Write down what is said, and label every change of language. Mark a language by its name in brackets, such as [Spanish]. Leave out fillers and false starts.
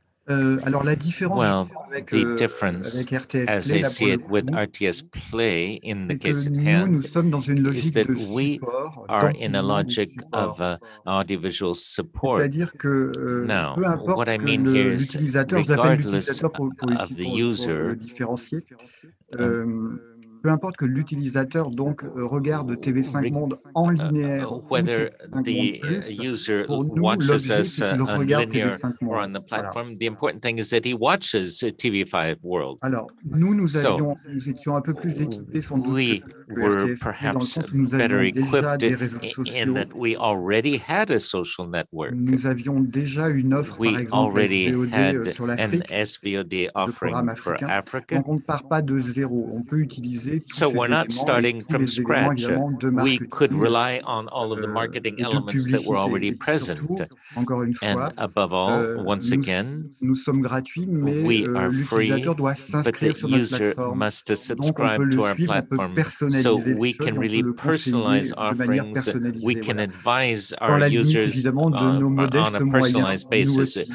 [English] Well, the difference, as I see it with RTS Play in the case at hand, is that we are in a logic of audiovisual support. Now, what I mean here is, regardless of the user, [French] peu importe que l'utilisateur donc regarde TV5 Monde en linéaire [English] whether the user watches us on linear or on the platform, the important thing is that he watches TV5 World. [French] Alors nous étions un peu plus équipés sans doute, [English] we were perhaps better equipped in that we already had a social network. [French] Nous avions déjà une offre, [English] we [French] par exemple [English] SVOD offering for Africa. [French] Donc on ne part pas de zéro, on peut utiliser. [English] So we're not starting from scratch. We could rely on all of the marketing elements that were already present. And above all, once again, we are free, but the user must subscribe to our platform. So we can really personalize offerings. We can advise our users on a personalized basis.